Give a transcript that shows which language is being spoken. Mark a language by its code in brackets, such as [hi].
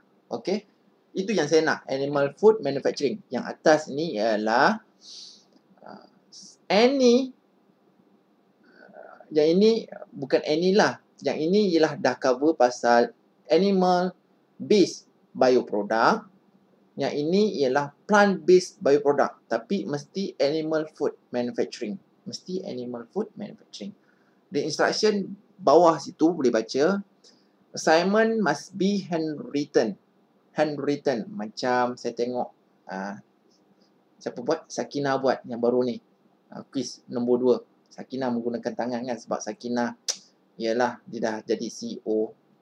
[ms] Okay, itu yang saya nak, animal food manufacturing. Yang atas ni ialah any. Yang ini bukan any lah, yang ini ialah dah cover pasal animal based bioproduct. Yang ini ialah plant-based bioproduct. Tapi mesti animal food manufacturing. Mesti animal food manufacturing. [en] The instruction [ms] bawah situ boleh baca. [en] Assignment must be handwritten. [ms] Handwritten. Macam saya tengok. Siapa buat? Sakina buat yang baru ni. Quiz nombor 2. Sakina menggunakan tangan kan? Sebab Sakina ialah dia dah jadi CEO.